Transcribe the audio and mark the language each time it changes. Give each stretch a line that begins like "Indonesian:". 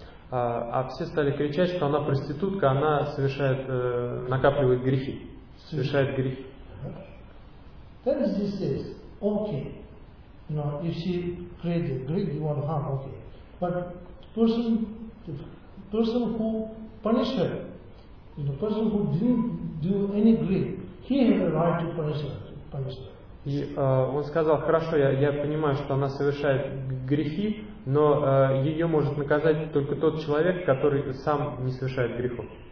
Russian: А все стали кричать, что она проститутка, она совершает, накапливает грехи, совершает грехи.
English: Then Jesus says, okay, you know, if she created Greek, you want to harm, okay. But the person who punished her, you know, person who didn't do any Greek, he had a right to punish her.
Russian: И он сказал: хорошо, я понимаю, что она совершает грехи, но ее может наказать только тот человек, который сам не совершает грехов.